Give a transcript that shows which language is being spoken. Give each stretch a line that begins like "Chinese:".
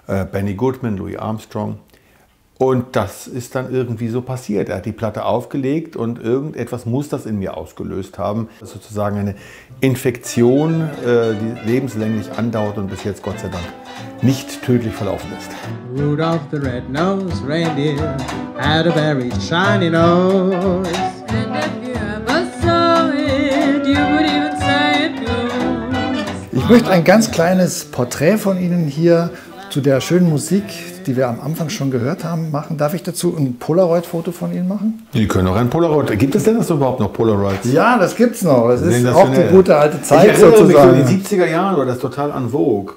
German: Benny Goodman, Louis Armstrong. Und das ist dann irgendwie so passiert. Er hat die Platte aufgelegt und irgendetwas muss das in mir ausgelöst haben. Das ist sozusagen eine Infektion, die lebenslänglich andauert und bis jetzt Gott sei Dank nicht tödlich verlaufen ist.
English: Rudolph the Red-Nosed Reindeer had a very shiny nose. And if you ever saw it, you would even say it goes.
German: Ich möchte ein ganz kleines Porträt von Ihnen hier zu der schönen Musik, die wir am Anfang schon gehört haben, machen. Darf ich dazu ein Polaroid-Foto von Ihnen machen? Sie können auch ein Polaroid. Gibt es denn das überhaupt noch, Polaroids? Ja, das gibt es noch. Das ist auch die gute alte Zeit sozusagen. Ich erinnere mich, in den 70er Jahren war das total en vogue.